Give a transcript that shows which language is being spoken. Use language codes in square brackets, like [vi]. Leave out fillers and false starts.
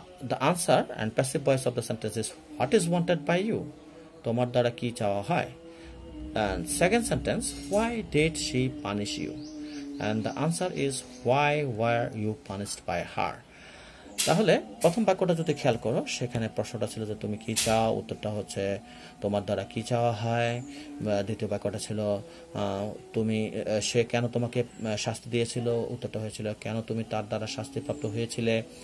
[en] the answer and passive voice of the sentence is, what is wanted by you, [bn] তোমার দ্বারা কি চাওয়া হয়? [en] And second sentence, why did she punish you, and the answer is why were you punished by her. [bn] তাহলে প্রথম বাক্যটা যদি খেয়াল করো, সেখানে প্রশ্নটা ছিল যে তুমি কি চাও, উত্তরটা হচ্ছে তোমার দ্বারা কি চাওয়া হয়। দ্বিতীয় বাক্যটা ছিল তুমি, সে কেন তোমাকে শাস্তি দিয়েছিল, উত্তরটা হয়েছিল কেন তুমি তার দ্বারা শাস্তিপ্রাপ্ত হয়েছিলে।